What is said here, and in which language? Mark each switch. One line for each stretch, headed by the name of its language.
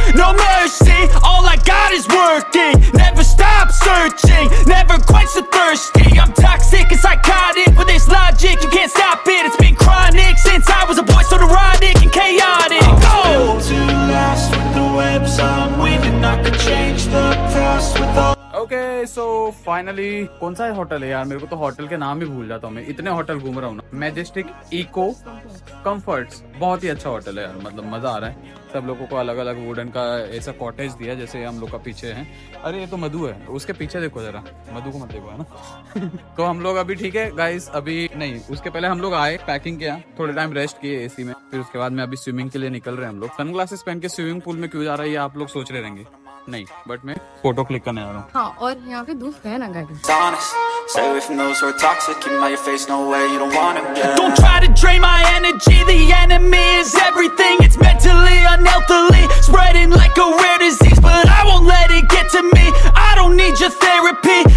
English: No mercy, all like God is working, never stop searching, never quench the thirsty. I'm toxic and psychotic with this logic, you can't stop it. It's been chronic since I was a boy, so neurotic and chaotic. I'm built to last with the webs I'm weaving. I could change the past with all. Okay, so
Hindi: finally कौन सा hotel है यार, मेरे को तो hotel के नाम ही भूल जाता हूँ, मैं इतने होटल घूम रहा हूँ ना। मैजेस्टिक इको कम्फर्ट्स, बहुत ही अच्छा होटल है यार, मतलब मजा आ रहा है। सब लोगों को अलग अलग वुडन का ऐसा कॉटेज दिया जैसे हम लोग का पीछे है। अरे ये तो मधु है, उसके पीछे देखो जरा, मधु को मत देखो, है ना। तो हम लोग अभी ठीक है गाइस, अभी नहीं, उसके पहले हम लोग आए, पैकिंग किया, थोड़े टाइम रेस्ट किए एसी में, फिर उसके बाद में अभी स्विमिंग के लिए निकल रहे हैं हम लोग। सनग्लासेस पहन के स्विमिंग पूल में क्यों जा रहा है ये आप लोग सोच रहे रहेंगे, नहीं बट मैं फोटो क्लिक करने आ रहा हूँ।
English: हाँ, Say if those were toxic in my face, no way you don't want them. Yeah. Don't try to drain my energy, the enemy is everything. It's mentally, unhealthily, spreading like a rare disease. But I won't let it get to me, I don't need your therapy.